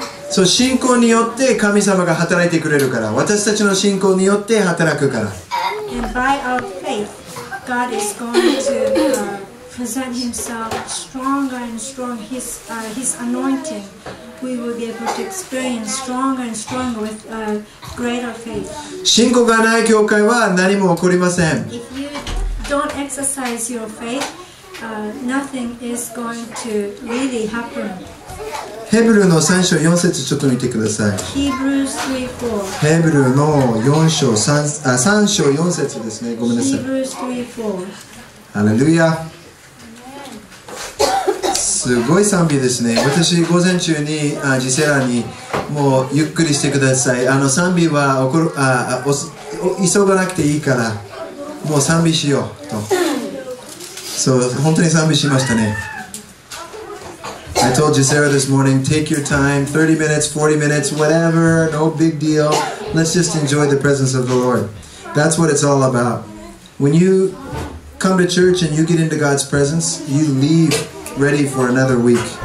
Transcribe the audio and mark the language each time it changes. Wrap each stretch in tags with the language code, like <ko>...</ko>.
<ja>そう信仰によって神様が働いてくれるから、私たちの信仰によって働くから。</ja> <en>And by our faith, God is going to, present himself stronger and stronger. His anointing, we will be able to experience stronger and stronger with a greater faith.</en> <ja>信仰がない教会は何も起こりません。</ja> <en>If you don't exercise your faith, nothing is going to really happen.</en> <ja>ヘブルの3章4節ちょっと見てください。</ja> <en>Hebrews 3:4.</en> <ja>ヘブルの3章4節ですね。ごめんなさい。</ja> <en>Hebrews 3:4.</en> <ja>ハレルヤ。すごい賛美ですね。私午前中にジセラにもうゆっくりしてください、あの賛美は急がなくていいからもう賛美しようと、そう本当に賛美しましたね。</ja> <en>I told Gisela this morning, take your time, 30 minutes, 40 minutes, whatever, no big deal, let's just enjoy the presence of the Lord. That's what it's all about. When you come to church and you get into God's presence, you leaveready for another week.</en>